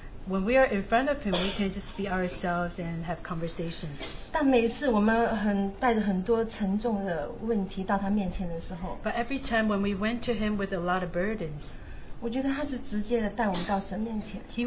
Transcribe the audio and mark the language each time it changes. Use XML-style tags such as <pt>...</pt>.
<en>When we are in front of him, we can just be ourselves and have conversations.</en> <zh>但每次我们带着很多沉重的问题到他面前的时候。</zh> <en>But every time when we went to him with a lot of burdens,</en> <zh>我觉得他是直接的带我们到神面前。</zh> <en>He</en>